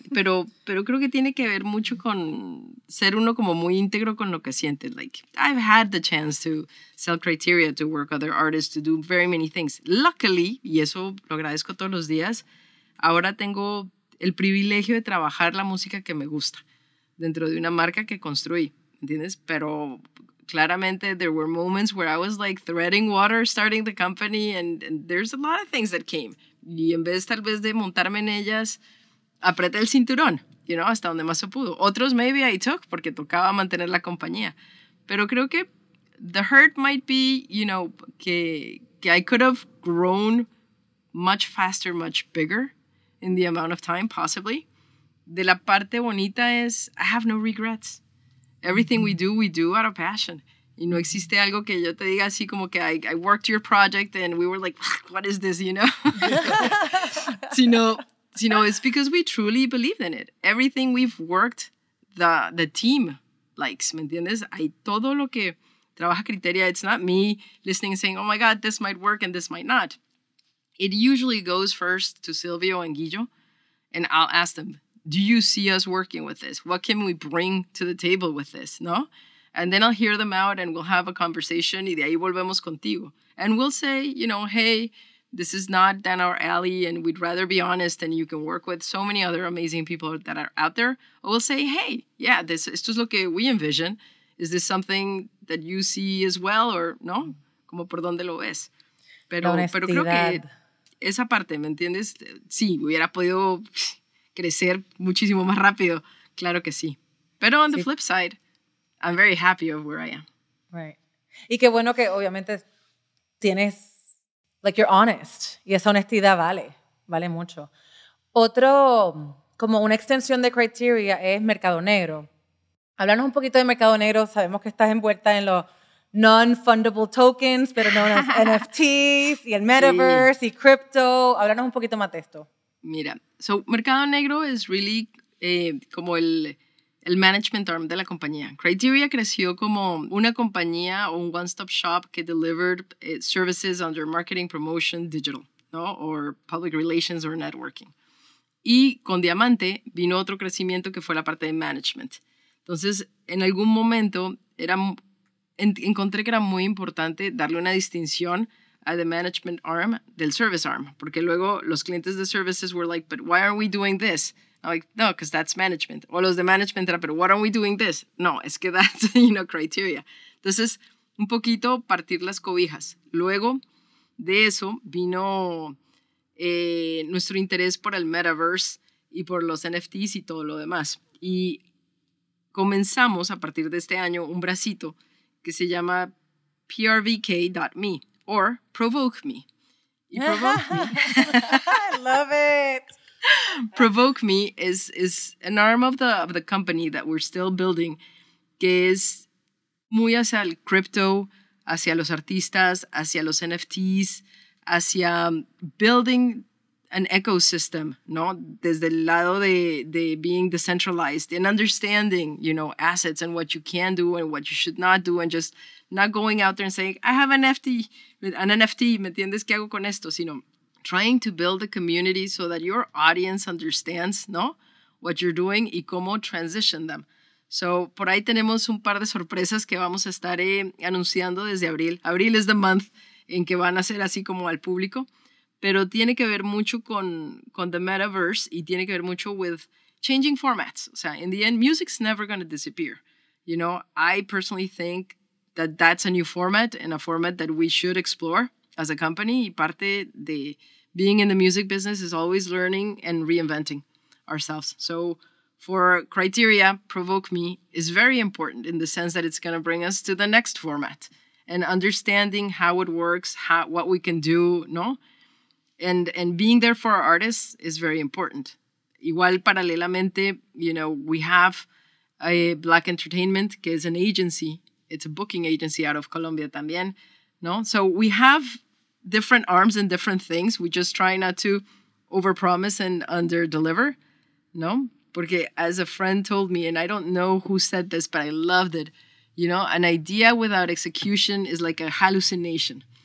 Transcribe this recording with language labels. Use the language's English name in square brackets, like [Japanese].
[Spanish] pero creo que tiene que ver mucho con ser uno como muy íntegro con lo que sientes. [English] Like, I've had the chance to sell Criteria, to work other artists, to do very many things. Luckily, [Spanish] y eso lo agradezco todos los días, ahora tengo el privilegio de trabajar la música que me gusta dentro de una marca que construí, ¿entiendes? Pero claramente [English] there were moments where I was like treading water starting the company and there's a lot of things that came. [Spanish] Y en vez tal vez de montarme en ellas, apreté el cinturón, [English] you know, [Spanish] hasta donde más se pudo. Otros [English] maybe I took [Spanish] porque tocaba mantener la compañía. Pero creo que [English] the hurt might be, you know, que I could have grown much faster, much bigger in the amount of time, possibly. [Spanish] De la parte bonita es, [English] I have no regrets. Everything we do out of passion. [Spanish] Y no existe algo que yo te diga así como que [English] I worked your project and we were like, what is this, you know? sino, it's because we truly believed in it. Everything we've worked, the team likes, [Spanish] ¿me entiendes? Hay todo lo que trabaja Criteria. [English] It's not me listening and saying, oh my God, this might work and this might not. It usually goes first to Silvio and Guillo, and I'll ask them, do you see us working with this? What can we bring to the table with this, no? And then I'll hear them out, and we'll have a conversation, [Spanish] y de ahí volvemos contigo. [English] And we'll say, you know, hey, this is not down our alley, and we'd rather be honest, and you can work with so many other amazing people that are out there. Or we'll say, hey, yeah, this is just [Spanish] lo que [English] we envision. Is this something that you see as well, or no? [Spanish] Como por donde lo ves. Pero creo que esa parte, ¿me entiendes? Sí, hubiera podido crecer muchísimo más rápido. Claro que sí. Pero [English] on the flip side, I'm very happy of where I am. [Spanish] Right. Y qué bueno que obviamente tienes, [English] like you're honest. [Spanish] Y esa honestidad vale, vale mucho. Otro, como una extensión de Criteria es Mercado Negro. Háblanos un poquito de Mercado Negro. Sabemos que estás envuelta en los non-fundable tokens, pero no las NFTs y el metaverse sí. Y crypto. Háblanos un poquito más de esto. Mira, so Mercado Negro es really como el management arm de la compañía. Criteria creció como una compañía o un one-stop shop que delivered services under marketing, promotion, digital, ¿no? Or public relations or networking. Y con Diamante vino otro crecimiento que fue la parte de management. Entonces, en algún momento encontré que era muy importante darle una distinción a the management arm del service arm, porque luego los clientes de services [English] were like, but why are we doing this? I'm like, no, because that's management. [Spanish] O los de management era, pero [English] why aren't we doing this? [Spanish] No, es que [English] that's, you know, [Spanish] Criteria. Entonces, un poquito partir las cobijas. Luego de eso vino nuestro interés por el metaverse y por los NFTs y todo lo demás. Y comenzamos a partir de este año un bracito que se llama prvk.me o provoke me. Y provoke me. [English] I love it. Provoke me is an arm of the company that we're still building [Spanish] que es muy hacia el crypto, hacia los artistas, hacia los NFTs, hacia [English] building an ecosystem, [Spanish] ¿no? Desde el lado de [English] being decentralized and understanding, you know, assets and what you can do and what you should not do and just not going out there and saying, I have an NFT, [Spanish] ¿me entiendes? ¿Qué hago con esto? [English] Sino trying to build a community so that your audience understands, ¿no? What you're doing [Spanish] y cómo [English] transition them. [Spanish] So, por ahí tenemos un par de sorpresas que vamos a estar anunciando desde abril. Abril [English] is the month [Spanish] en que van a ser así como al público. Pero tiene que ver mucho con the metaverse y tiene que ver mucho [English] with changing formats. [Spanish] O sea, [English] in the end, music's never going to disappear. You know, I personally think that that's a new format and a format that we should explore as a company. [Spanish] Y parte de [English] being in the music business is always learning and reinventing ourselves. So for Criteria, Provoke Me is very important in the sense that it's going to bring us to the next format and understanding how it works, how what we can do, ¿no? And being there for our artists is very important. Igual, paralelamente, you know, we have a Black Entertainment, que es an agency. It's a booking agency out of Colombia también, ¿no? So we have different arms and different things. We just try not to overpromise and underdeliver, ¿no? [Spanish] Porque [English] as a friend told me, and I don't know who said this, but I loved it, you know, an idea without execution is like a hallucination.